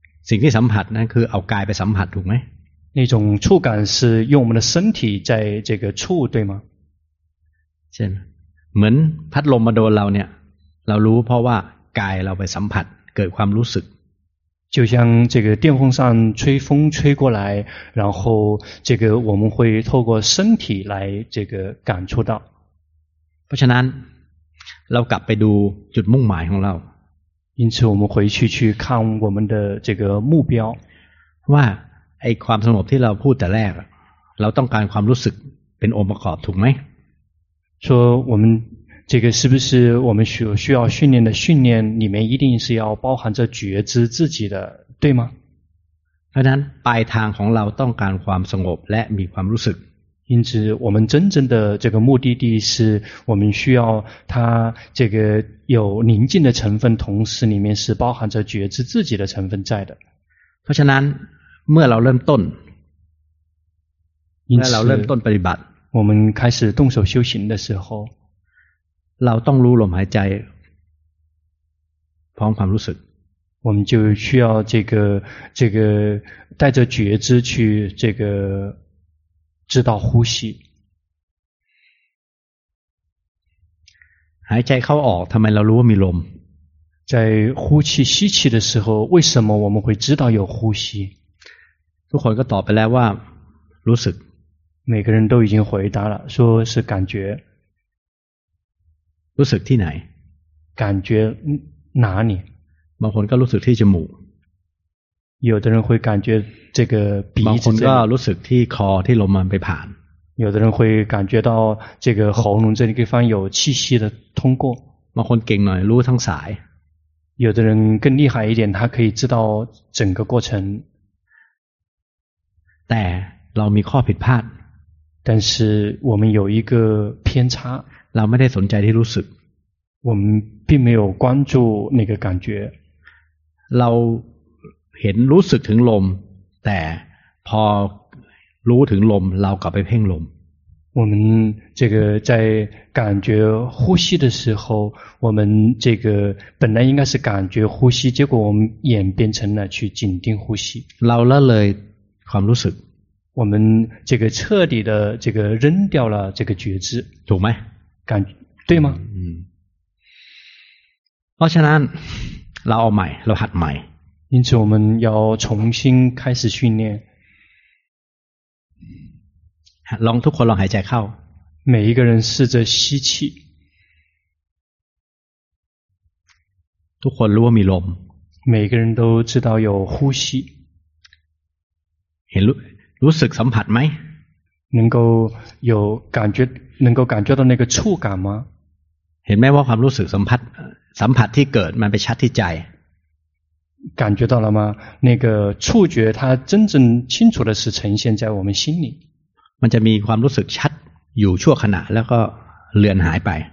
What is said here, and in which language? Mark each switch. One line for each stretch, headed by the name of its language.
Thai: สิ่งที่สัมผัสนั้นคือเอากายไปสัมผัสถูกไหม
Chinese: 那种触感是用我们的身体在这个触，对吗？
Thai: เช่นเหมือนพัดลมมาโดนเราเนี่ยเรารู้เพราะว่ากายเราไปสัมผัสเกิดความรู้สึก
Chinese: 就像这个电风扇吹风吹过来，然后这个我们会透过身体来这个感触到。
Thai: เพราะฉะนั้นเรากลับไปดูจุดมุ่งหมายของเรา
Chinese: 因此我们回去去看我们的这个目标
Thai: ว่าไอ้ความสงบที่เราพูดแต่แรกเราต้องการความรู้สึกเป็นองค์ประกอบถูกไหม
Chinese: 说我们这个是不是我们需要训练的训练里面一定是要包含着觉知自己的对吗
Thai: เพราะนั้นปลายทางของเราต้องการความสงบและมีความรู้สึก
Chinese: 因此我们真正的这个目的地是我们需要它这个有宁静的成分同时里面是包含着觉知自己的成分在的
Thai: เพราะฉะนั้นเมื่อเราเริ่มต้นเมื่อเราเริ่มต้นปฏิบัติ
Chinese: 我们开始动手修行的时候
Thai: เราต้องรู้ลมหายใจพร้อมความรู้สึก
Chinese: 我们就需要这个带着觉知去这个知道呼吸
Thai: หายใจเข้าออกทำไมเรารู้ว่ามีลม
Chinese: 在呼气吸气的时候为什么我们会知道有呼吸
Thai: ทุกคนก็ตอบไปแล้วว่ารู้สึก
Chinese: 每个人都已经回答了说是感觉
Thai: รู้สึกที่ไหน
Chinese: 感觉哪里
Thai: บางคนก็รู้สึกที่จมูก
Chinese: 有的人会感觉这个鼻子
Thai: บางคนก็รู้สึกที่คอที่ลมมันไปผ่าน
Chinese: 有的人会感觉到这个喉咙这地方有气息的通过
Thai: บางคนเก่งหน่อยรู้ทั้งสาย
Chinese: 有的人更厉害一点他可以知道整个过程
Thai: แต่เรามีข้อผิดพลาด
Chinese: 但是我们有一个偏差
Thai: เราไม่ได้สนใจที่รู้สึก
Chinese: 我们并没有关注那个感觉
Thai: เราเห็นรู้สึกถึงลมแต่พอรู้ถึงลมเรากลับไปเพ่งลม
Chinese: 我们这个在感觉呼吸的时候我们这个本来应该是感觉呼吸结果我们演变成了去紧盯呼吸
Thai: เราละเลยความรู้สึก
Chinese: 我们这个彻底的这个扔掉了这个觉知
Thai: ถูกไหม
Chinese: 感对吗
Thai: เพราะฉะนั้นเราเอาใหม่เราหัดใหม่
Chinese: 因此我们要重新开始训练
Thai: ลองทุกคนลองหายใจเข้า
Chinese: 每一个人试着吸气
Thai: ทุกคนรู้ว่ามีลม
Chinese: 每个人都知道有呼吸
Thai: เห็นรู้สึกสัมผัสไหม
Chinese: 能够有感觉能够感觉到那个触感吗
Thai: เห็นไหมว่าความรู้สึกสัมผัสที่เกิดมันไปชัดที่ใจ
Chinese: 感觉到了吗那个触觉它真正清楚的是呈现在我们心里
Thai: มันจะมีความรู้สึกชัดอยู่ชั่วขณะแล้วก็เลือนหายไป